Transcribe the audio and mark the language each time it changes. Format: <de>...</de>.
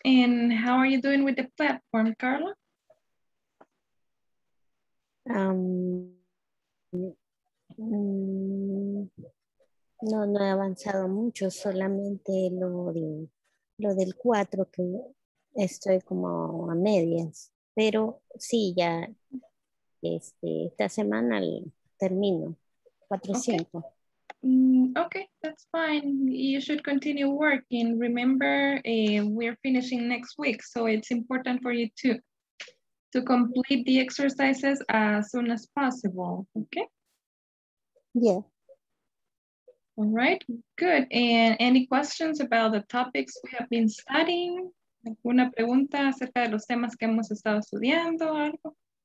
<en>And how are you doing with the platform, Carla?</en> <es>No he avanzado mucho, solamente lo del 4 que estoy como a medias. Pero sí, ya esta semana termino 400.</es> <en>Okay, that's fine. You should continue working. Remember, we're finishing next week, so it's important for you to complete the exercises as soon as possible, okay? Yeah. All right, good. And any questions about the topics we have been studying?</en> <es>¿Alguna pregunta acerca de los temas que hemos estado estudiando o algo?</es>